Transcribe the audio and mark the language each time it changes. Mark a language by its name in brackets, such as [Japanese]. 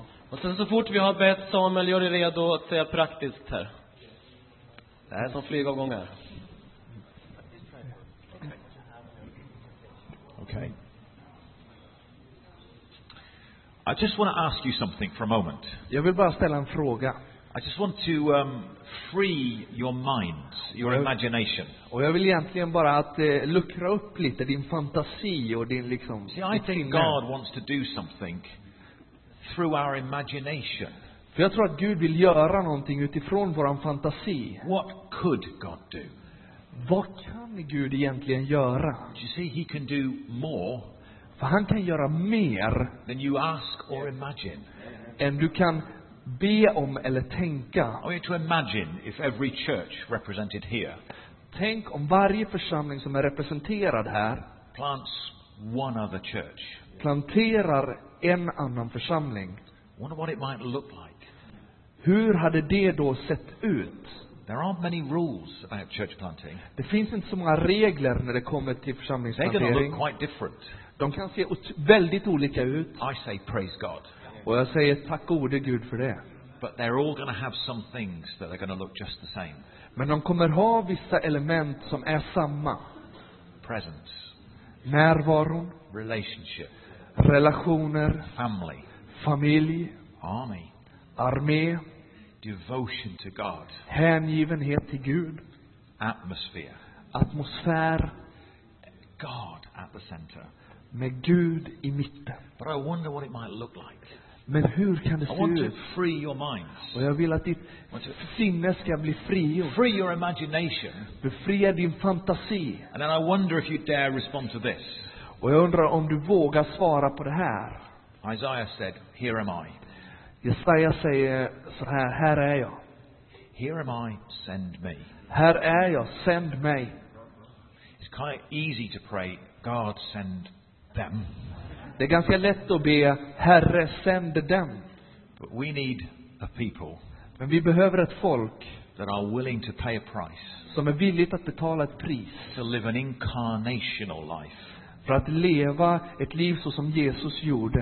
[Swedish] Och sen så fort vi har bett Samuel, gör det redo att säga praktiskt här. Det här är som flygavgångar. [English] Okej. Okay. I just want to ask you something for a moment. [Swedish] Jag vill bara ställa en fråga. [English] I just want to free your minds, your imagination. [Swedish] Och jag vill egentligen bara att luckra upp lite din fantasi och din liksom. [English] See, I think God wants to do something through our imagination. [Swedish] För jag tror att Gud vill göra någonting utifrån våran fantasi. [English] What could God do? [Swedish] Vad kan Gud egentligen göra? [English] You see, he can do more. [Swedish] För han kan göra mer [English] than you ask or imagine. [Swedish] Än du kan be om eller tänka. [English] I want you to imagine if every church represented here. [Swedish] Tänk om varje församling som är representerad här [English] plants one other church. [Swedish] Planterar en annan församling. [English] Wonder what it might look like. [Swedish] Hur hade det då sett ut? [English] There aren't many rules about church planting. [Swedish] Det finns inte så många regler när det kommer till församlingsplantering. [English] They can look quite different. [Swedish] De kan se väldigt olika ut. [English] I say praise God. [Swedish] Och jag säger tack gode Gud för det. [English] But they're all going to have some things that are going to look just the same. [Swedish] Men de kommer ha vissa element som är samma. [English] Presence. [Swedish] Närvaro. [English] Relationship. [Swedish] Relationer. [English] Family. [Swedish] Familj. [English] Army. [Swedish] Armé. [English] Devotion to God. [Swedish] Hängivenhet till Gud. [English] Atmosphere. [Swedish] Atmosfär. [English] God at the center. [Swedish] Med Gud i mitten. [English] But I wonder what it might look like. [Swedish] Men hur kan det se ut? [English] I want to free your minds. [Swedish] Och jag vill att ditt sinne ska bli fri. [English] Free your imagination. [Swedish] Befria din fantasi. [English] And then I wonder if you dare respond to this. [Swedish] Och jag undrar om du vågar svara på det här. [English] Isaiah said, "Here am I." [Swedish] Jesaja säger så här, här är jag. [English] Here am I, send me. [Swedish] Här är jag, [English] send me. It's kind of easy to pray, God send them. [Swedish] Det är ganska lätt att be Herre sänd dem. [English] But we need a people. [Swedish] Men vi behöver ett folk [English] that are willing to pay a price. [Swedish] Som är villigt att betala ett pris. [English] To live an incarnational life. [Swedish] För att leva ett liv så som Jesus gjorde.